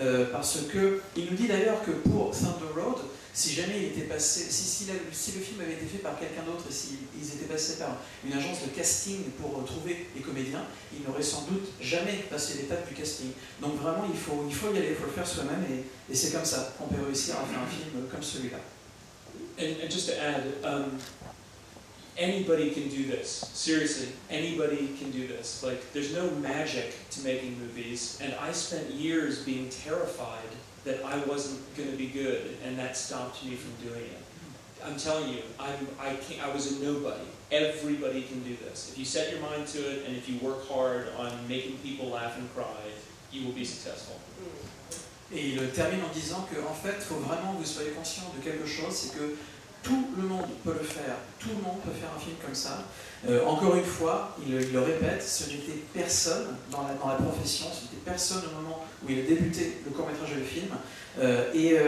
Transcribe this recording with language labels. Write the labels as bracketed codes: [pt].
[fr] Parce que il nous dit d'ailleurs que pour Thunder Road, si jamais il était passé, si le film avait été fait par quelqu'un d'autre et s'ils étaient passés par une agence de casting pour trouver les comédiens, il n'aurait sans doute jamais passé l'étape du casting. Donc vraiment, il faut y aller, il faut le faire soi-même, et c'est comme ça qu'on peut réussir à faire un film comme celui-là. [en] And just to add, anybody can do this. Seriously, anybody can do this. Like, there's no magic to making movies, and I spent years being terrified that I wasn't going to be good, and that stopped me from doing it. I'm telling you, I was a nobody. Everybody can do this. If you set your mind to it, and if you work hard on making people laugh and cry, you will be successful. [fr] Et il termine en disant que, en fait, faut vraiment que vous soyez conscient de quelque chose, c'est que tout le monde peut le faire. Tout le monde peut faire un film comme ça. Encore une fois, il le répète, ce n'était personne dans la profession, ce n'était personne au moment où il a débuté le court-métrage et le film.